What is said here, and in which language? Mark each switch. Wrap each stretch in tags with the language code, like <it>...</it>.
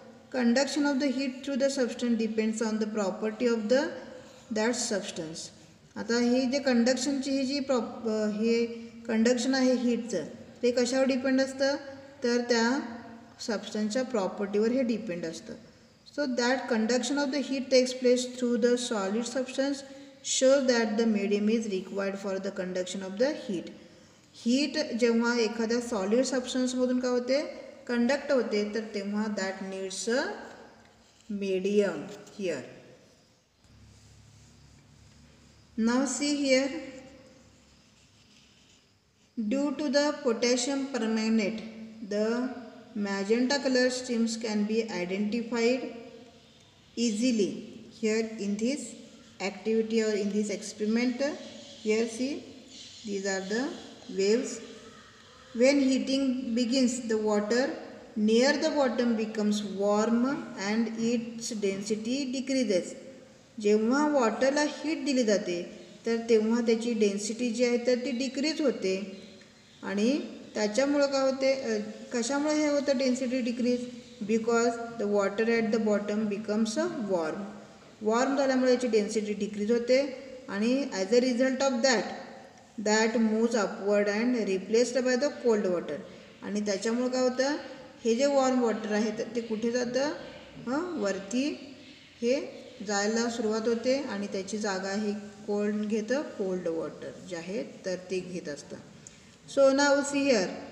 <en>Conduction of the heat through the substance depends on the property of the that substance.</en> <mr>आता ही जे conduction ची जी conduction आहे heat चं ते कशावर depend असतं तर त्या substance च्या property वर हे depend असतं.</mr> <en>So that conduction of the heat takes place through the solid substance shows that the medium is required for the conduction of the heat.</en> <mr>Heat जेव्हा एखाद्या solid substance मधून काय होते conduct होते तर तेव्हा</mr> <en>that needs a medium here. Now see here, due to the potassium permanganate, the magenta color streams can be identified easily here in this activity or in this experiment. Here see, these are the waves. When heating begins, the water near the bottom becomes warm and its density decreases.</en> <mr>जेव्हा वॉटरला heat दिली जाते तर तेव्हा त्याची density जी आहे तर ती decrease होते आणि त्याच्यामुळे काय होते कशामुळे हे होतं density decrease</mr> <en>because the water at the bottom becomes a warm</en> <mr>worm झाल्यामुळे त्याची डेन्सिटी डिक्रीज होते आणि</mr> <en>as a result of that that move upward and replaced by the cold water</en> <mr>आणि त्याच्यामुळे काय होतं हे जे वॉर्म वॉटर आहे तर ते कुठे जातं हं वरती हे जायला सुरुवात होते आणि त्याची जागा ही कोल्ड घेतं कोल्ड वॉटर जे आहे तर ते घेत असतं</mr> <en>so now see here</en>